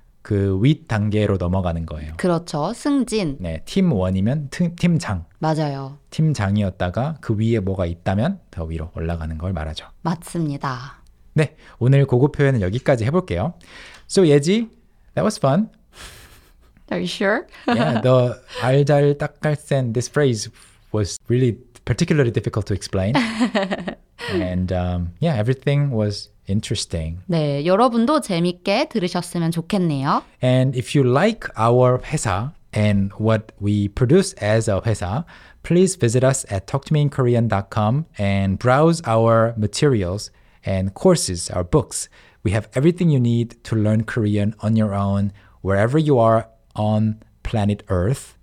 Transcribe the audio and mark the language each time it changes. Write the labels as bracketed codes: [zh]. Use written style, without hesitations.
[ko] 그 윗 단계로 넘어가는 거예요. 그렇죠. 승진. 네. 팀원이면 팀장. 맞아요. 팀장이었다가 그 위에 뭐가 있다면 더 위로 올라가는 걸 말하죠. 맞습니다. 네. 오늘 고급 표현은 여기까지 해볼게요. [en] So, 예지, that was fun. Are you sure? Yeah. The 알 잘 딱 갈 센 this phrase was really particularly difficult to explain. And yeah, everything was interesting. [ko] 네, 여러분도 재밌게 들으셨으면 좋겠네요. [en] And if you like our 회사 and what we produce as a 회사, please visit us at talktomeinkorean.com and browse our materials and courses, our books. We have everything you need to learn Korean on your own, wherever you are on planet Earth.